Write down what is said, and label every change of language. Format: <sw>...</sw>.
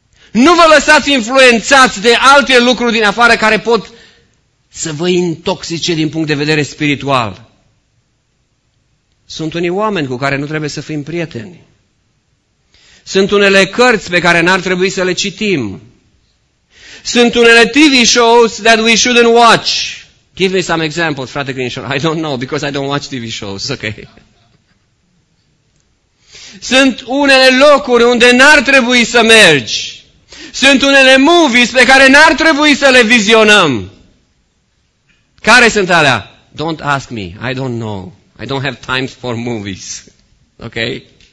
<ro>Nu vă lăsați influențați de alte lucruri din afară care pot să vă intoxice din punct de vedere spiritual. Sunt unii oameni cu care nu trebuie să fim prieteni. Sunt unele cărți pe care n-ar trebui să le citim. Sunt unele</ro> <en>TV shows that we shouldn't watch. Give me some examples, frate Crinșor. I don't know, because I don't watch TV shows. Okay.</en> <ro>Sunt unele locuri unde n-ar trebui să mergi. Sunt unele movies pe care n-ar trebui să le vizionăm. Care sunt alea?</ro> <en>Don't ask me. I don't know. I don't have time for movies. Okay?</en>